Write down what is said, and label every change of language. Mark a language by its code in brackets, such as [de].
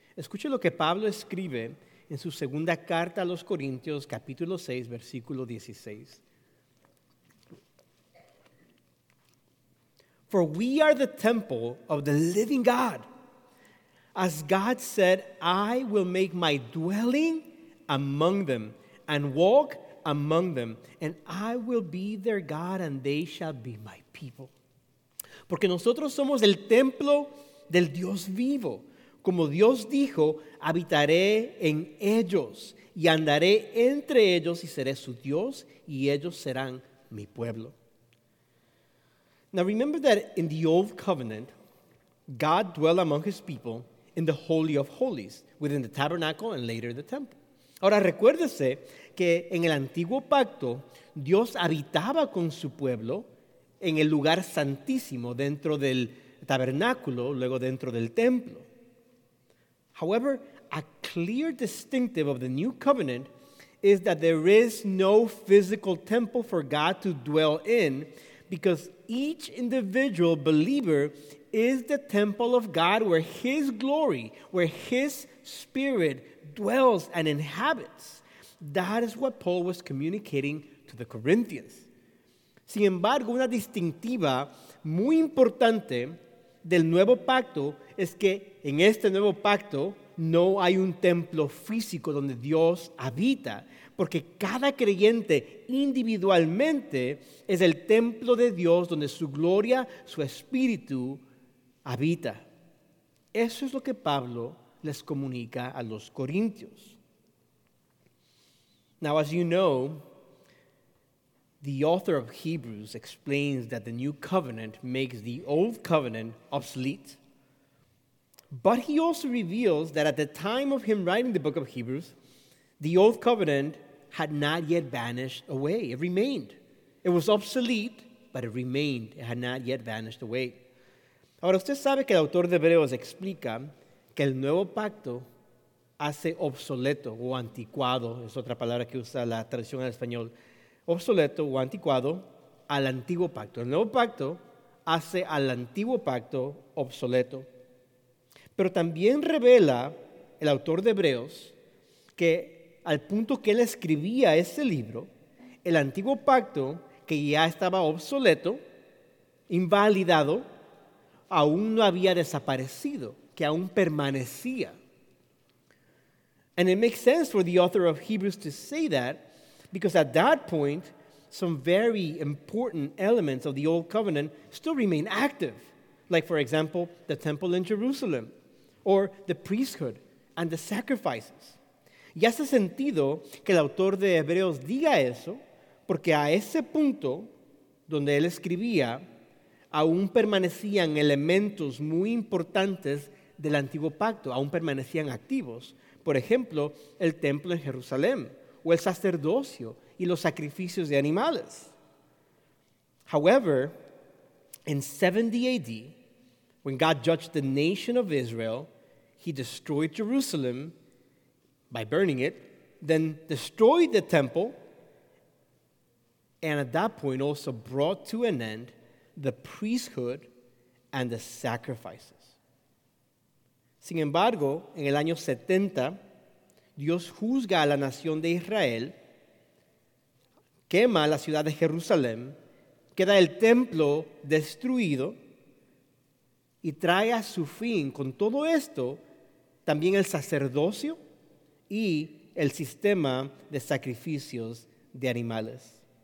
[es] Escuche lo que Pablo escribe en su segunda carta a los Corintios, capítulo 6, versículo 16. [en] For we are the temple of the living God. As God said, I will make my dwelling among them and walk among them, and I will be their God, and they shall be my people. [es] Porque nosotros somos el templo del Dios vivo. Como Dios dijo, habitaré en ellos y andaré entre ellos y seré su Dios y ellos serán mi pueblo. [en] Now remember that in the Old Covenant, God dwelt among his people in the Holy of Holies, within the tabernacle and later the temple. [es] Ahora recuérdese que en el Antiguo Pacto, Dios habitaba con su pueblo en el lugar santísimo, dentro del tabernáculo, luego dentro del templo. [en] However, a clear distinctive of the New Covenant is that there is no physical temple for God to dwell in, because each individual believer is the temple of God where his glory, where his spirit dwells and inhabits. That is what Paul was communicating to the Corinthians. [es] Sin embargo, una distintiva muy importante del nuevo pacto es que en este nuevo pacto no hay un templo físico donde Dios habita, porque cada creyente individualmente es el templo de Dios donde su gloria, su espíritu habita. Eso es lo que Pablo les comunica a los corintios. [en] Now, as you know, The author of Hebrews explains that the new covenant makes the old covenant obsolete. But he also reveals that at the time of him writing the book of Hebrews, the old covenant had not yet vanished away. It remained. It was obsolete, but it remained. It had not yet vanished away. [es] Ahora, usted sabe que el autor de Hebreos explica que el nuevo pacto hace obsoleto o anticuado, es otra palabra que usa la traducción al español, obsoleto o anticuado al antiguo pacto. El nuevo pacto hace al antiguo pacto obsoleto. Pero también revela el autor de Hebreos que al punto que él escribía este libro, el antiguo pacto, que ya estaba obsoleto, invalidado, aún no había desaparecido, que aún permanecía. [en] And it makes sense for the author of Hebrews to say that, because at that point, some very important elements of the Old Covenant still remain active, like, for example, the temple in Jerusalem, or the priesthood and the sacrifices. [es] Y hace sentido que el autor de Hebreos diga eso, porque a ese punto donde él escribía, aún permanecían elementos muy importantes del antiguo pacto, aún permanecían activos. Por ejemplo, el templo en Jerusalén, o el sacerdocio y los sacrificios de animales. [en] However, in 70 AD, when God judged the nation of Israel, he destroyed Jerusalem by burning it, then destroyed the temple, and at that point also brought to an end the priesthood and the sacrifices. [es] Sin embargo, en el año 70, Dios juzga a la nación de Israel, quema la ciudad de Jerusalén, queda el templo destruido y trae a su fin con todo esto también el sacerdocio y el sistema de sacrificios de animales.